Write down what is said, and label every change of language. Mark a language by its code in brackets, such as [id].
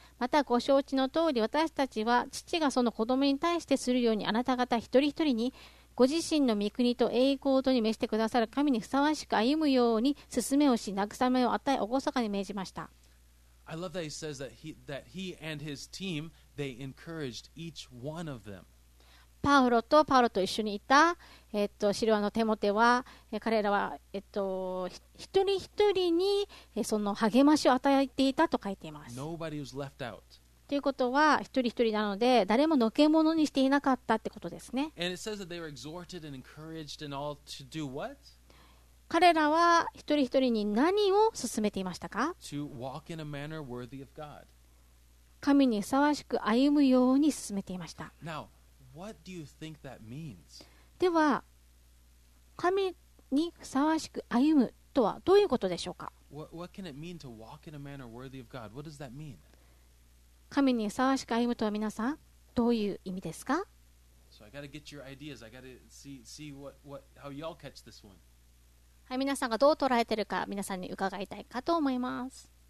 [ja] またご承知の通り、私たちは父がその子供に対してするようにあなた方一人一人にご自身の御国と栄光とに召してくださる神にふさわしく歩むように進めをし、慰めを与え、おごそかに命じました。 [en] I love that he says that he and his team, they encouraged each one of them. [ja] パウロとパウロと一緒にいた、シルワのテモテは、彼らは、一人一人にその励ましを与えていたと書いています。 [en] Nobody was left out. [ja] ということは一人一人なので誰ものけものにしていなかったってことですね。 [en] And it says that they were exhorted and encouraged and all to do what? [ja] 彼らは一人一人に何を勧めていましたか? [en] To walk in a manner worthy of God. [ja] 神にふさわしく歩むように勧めていました。 [en] Now, what do you think that means? [ja] では神にふさわしく歩むとはどういうことでしょうか? [en] What can it mean to walk in a manner worthy of God? What does that mean? [ja] 神にふさわしく歩むとは皆さんどういう意味ですか? [en] So I gotta get your ideas. I gotta see how y'all catch this one. [ja] はい、皆さんがどう捉えてるか皆さんに伺いたいかと思います。